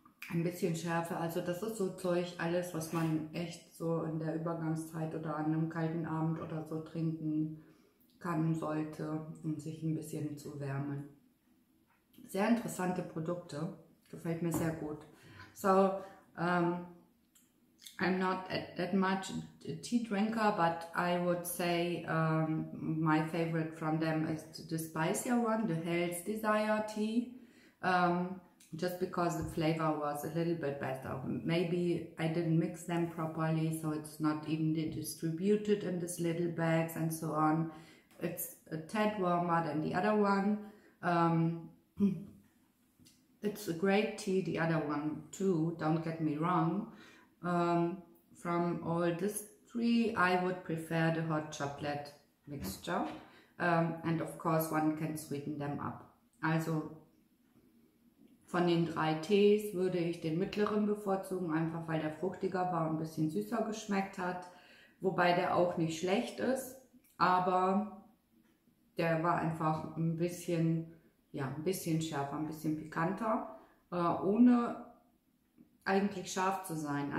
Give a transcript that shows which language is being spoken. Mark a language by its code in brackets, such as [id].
[de] Ein bisschen Schärfe. Also das ist so Zeug, alles, was man echt so in der Übergangszeit oder an einem kalten Abend oder so trinken kann, sollte, um sich ein bisschen zu wärmen. Sehr interessante Produkte. Gefällt mir sehr gut. [en] So, I'm not that much a tea drinker, but I would say my favorite from them is the spicier one, the Hell's Desire tea, just because the flavor was a little bit better. Maybe I didn't mix them properly, so it's not evenly distributed in these little bags and so on. It's a tad warmer than the other one. It's a great tea, the other one too, don't get me wrong. From all these three, I would prefer the hot chocolate mixture. And of course, one can sweeten them up. [de] Also von den drei Tees würde ich den mittleren bevorzugen, einfach weil der fruchtiger war und ein bisschen süßer geschmeckt hat. Wobei der auch nicht schlecht ist, aber der war einfach ein bisschen, ja, ein bisschen schärfer, ein bisschen pikanter, ohne eigentlich scharf zu sein.